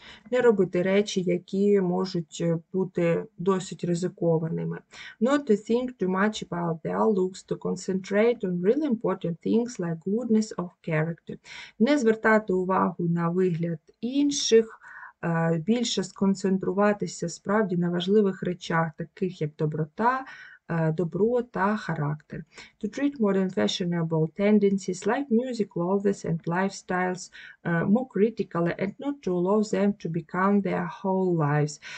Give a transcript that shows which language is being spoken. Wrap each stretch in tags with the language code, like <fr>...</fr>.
<uk>Не робити речі, які можуть бути досить ризикованими.</uk> <en>Not to think too much about their looks, to concentrate on really important things like goodness of character.</en> <uk>Не звертати увагу на вигляд інших, більше сконцентруватися справді на важливих речах, таких як добро та характер.</uk> <en>To treat modern fashionable tendencies like music, clothes and lifestyles more critically and not to allow them to become their whole lives.</en>